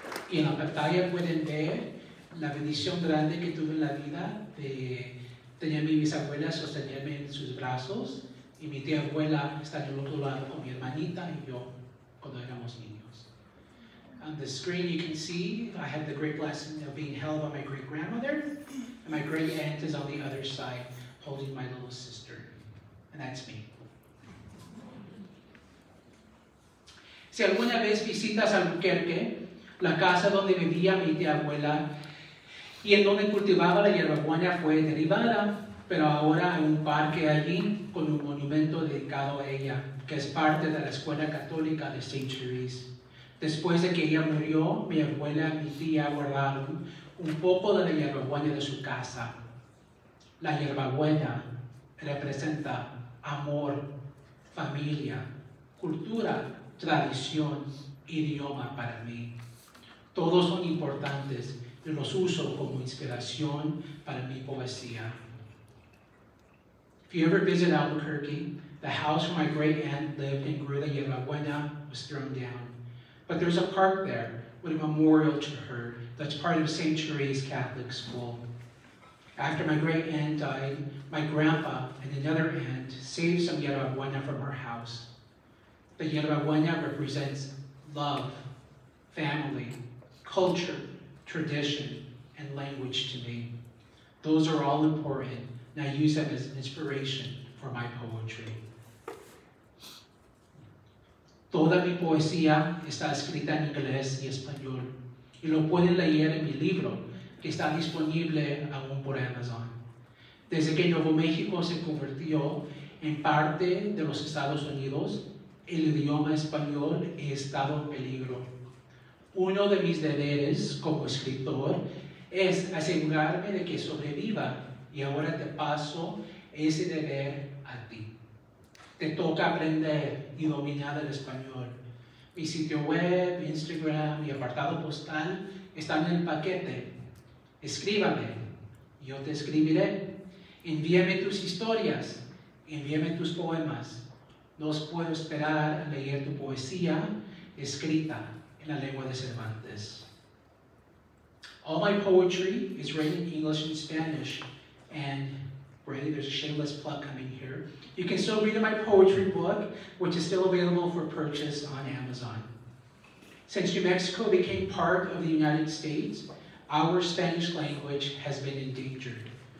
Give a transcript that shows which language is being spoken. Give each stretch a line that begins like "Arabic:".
Spanish: Y en la pantalla pueden ver la bendición grande que tuve en la vida de tener a mi bisabuela sostenerme en sus brazos y mi tía abuela estar en el otro lado con mi hermanita y yo cuando éramos niños.
English: On the screen you can see I had the great blessing of being held by my great-grandmother, and my great-aunt is on the other side holding my little sister, and that's me.
Spanish: Si alguna vez visitas Albuquerque, la casa donde vivía mi tía abuela y en donde cultivaba la hierbabuena fue derribada, pero ahora hay un parque allí con un monumento dedicado a ella, que es parte de la Escuela Católica de St. Therese. Después de que ella murió, mi abuela y mi tía guardaron un poco de la hierbabuena de su casa. La hierbabuena representa amor, familia, cultura, tradición, idioma para mí. Todos son importantes y los uso como inspiración para mi poesía.
English: If you ever visit Albuquerque, the house where my great aunt lived and grew the hierbabuena was thrown down. But there's a park there with a memorial to her that's part of St. Therese Catholic School. After my great aunt died, my grandpa and another aunt saved some hierbabuena from her house. The hierbabuena represents love, family, culture, tradition, and language to me. Those are all important, and I use them as an inspiration for my poetry.
Spanish: Toda mi poesía está escrita en inglés y español, y lo pueden leer en mi libro, que está disponible aún por Amazon. Desde que Nuevo México se convirtió en parte de los Estados Unidos, el idioma español ha estado en peligro. Uno de mis deberes como escritor es asegurarme de que sobreviva, y ahora te paso ese deber a ti. Te toca aprender y dominar el español. Mi sitio web, Instagram y apartado postal están en el paquete. Escríbame, yo te escribiré. Envíame tus historias, envíame tus poemas. No puedo esperar a leer tu poesía escrita en la lengua de Cervantes.
English: All my poetry is written in English and Spanish, and Brady, there's a shameless plug coming here. You can still read my poetry book, which is still available for purchase on Amazon. Since New Mexico became part of the United States, our Spanish language has been endangered.